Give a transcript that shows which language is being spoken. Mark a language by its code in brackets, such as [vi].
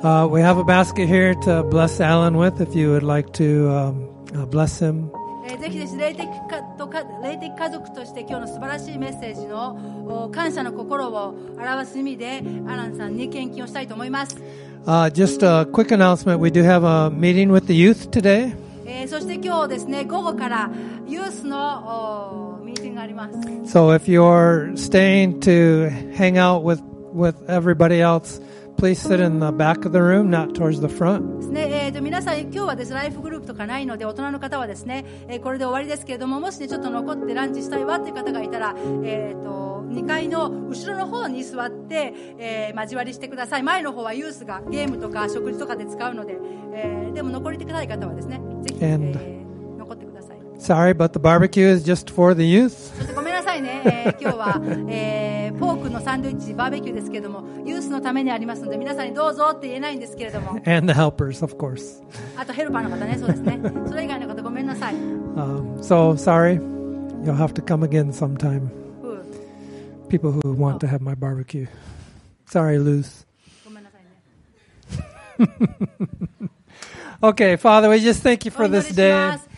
[en] We have a basket here to bless Alan with, if you would like to bless him. [ja] ぜひですね、霊的家族として今日の素晴らしいメッセージの感謝の心を表す意味でアランさんに献金をしたいと思います。 [en] Just a quick announcement. We do have a meeting with the youth today. [ja] そして今日ですね、午後からユースのミーティングがあります。 [en] So if you're staying to hang out with everybody else,Please sit in the back of the room, not towards the front. [ja] 皆さん今日はですライフグループとかないので大人の方はですね、これで終わりですけれども、もしねちょっと残ってランチしたいわという方がいたら、2階の後ろの方に座って、交わりしてください。前の方はユースがゲームとか食事とかで使うので、でも残りてくださいという方はですね、ぜひ、残ってください。 [en] Sorry, but the barbecue is just for the youth. [ja] ごめんなさいね、今日は、フォークのサンドイッチバーベキューですけれども、ユースのためにありますので皆さんにどうぞって言えないんですけれども、 [en] And the helpers, of course. [ja] あとヘルパーの方ね、そうですね、それ以外の方ごめんなさい、 [en] So sorry, you'll have to come again sometime. People who want to have my barbecue. Sorry, Luz. [ja] ごめんなさい、ね、 [en] Okay, Father, we just thank you for this day.